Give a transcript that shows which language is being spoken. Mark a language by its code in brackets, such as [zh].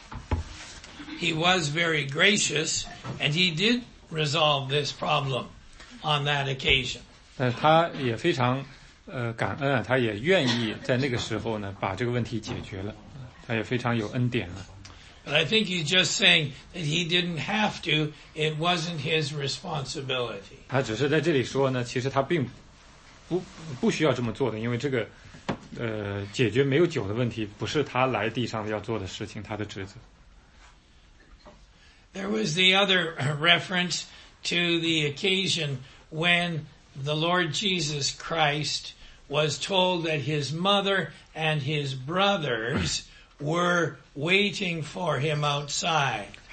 [en] was very gracious, and he did resolve this problem on that occasion. [zh] 但他也非常感恩，他也愿意在那个时候呢，把这个问题解决了，他也非常有恩典了。 [en] But I think he's just saying that he didn't have to, it wasn't his responsibility. [zh] 他只是在这里说呢，其实他并不需要这么做的，因为这个解决没有酒的问题不是他来地上要做的事情，他的职责。There [en] was the other reference to the occasion when the Lord Jesus Christ was told that his mother and his brothers were waiting for him outside.